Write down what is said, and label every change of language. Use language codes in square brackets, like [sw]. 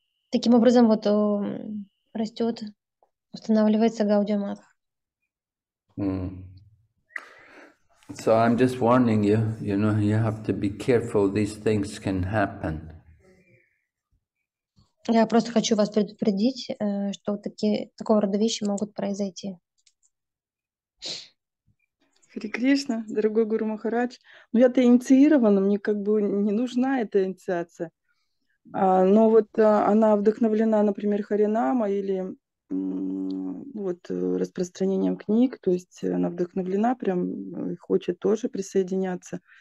[ru] Таким образом вот растет, устанавливается Гаудия Матх. [en] So I'm just warning you, you know, you have to be careful, these things can happen. [ru] Я просто хочу вас предупредить, что такого рода вещи могут произойти. Хари Кришна, дорогой Гуру Махарадж. Ну, я-то инициирована, мне как бы не нужна эта инициация. Но вот она вдохновлена, например, Харинама или вот распространением книг, то есть она вдохновлена прям и хочет тоже присоединяться.